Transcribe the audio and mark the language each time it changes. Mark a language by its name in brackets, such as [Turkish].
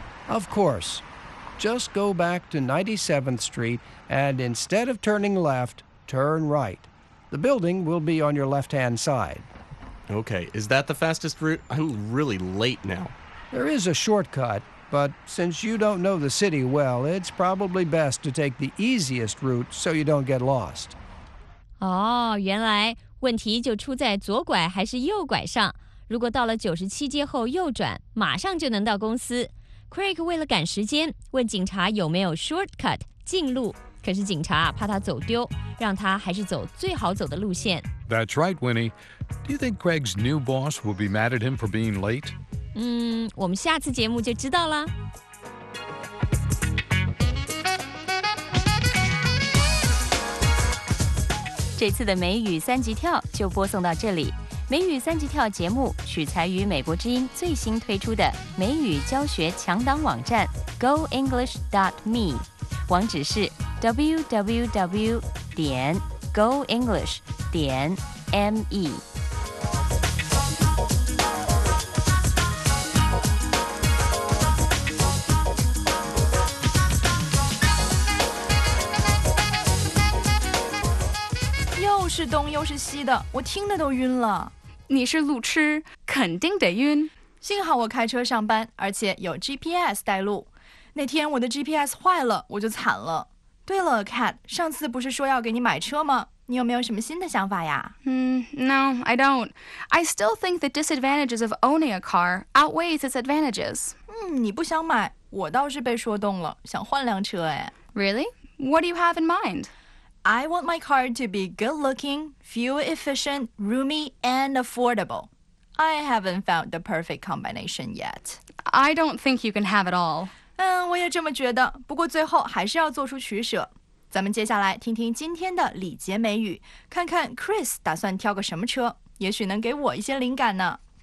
[English] Of course. Just go back to 97th Street and instead of turning left, turn right. The building will be on your left-hand side. Okay, is that the fastest route? I'm really late now. There is a shortcut, but since you don't know the city well, it's probably best to take the easiest route so you don't get lost. [Chinese] Oh, 原来问题就出在左拐还是右拐上。如果到了九十七街后右转，马上就能到公司。 Craig 为了赶时间，问警察有没有 shortcut, 近路。可是警察怕他走丢，让他还是走最好走的路线。 [English] That's right, Winnie. Do you think Craig's new boss will be mad at him for being late? [Chinese] 我们下次节目就知道了。这次的美语三级跳就播送到这里。美语三级跳节目取材于美国之音最新推出的美语教学强档网站 goenglish.me， 网址是 www.goenglish.me。是东又是西的，我听得都晕了。你是路痴，肯定得晕。幸好我开车上班，而且有 GPS 带路。那天我的 GPS 坏了，我就惨了。对了 ，Cat， 上次不是说要给你买车吗？你有没有什么新的想法呀？ [English] No, I don't. I still think the disadvantages of owning a car outweighs its advantages. [Chinese] 你不想买，我倒是被说动了，想换辆车哎。 [English] Really? What do you have in mind? I want my car to be good-looking, fuel-efficient, roomy, and affordable. I haven't found the perfect combination yet. I don't think you can have it all. [Chinese] 我也这么觉得，不过最后还是要做出取舍。咱们接下来听听今天的礼节美语，看看 Chris 打算挑个什么车，也许能给我一些灵感呢。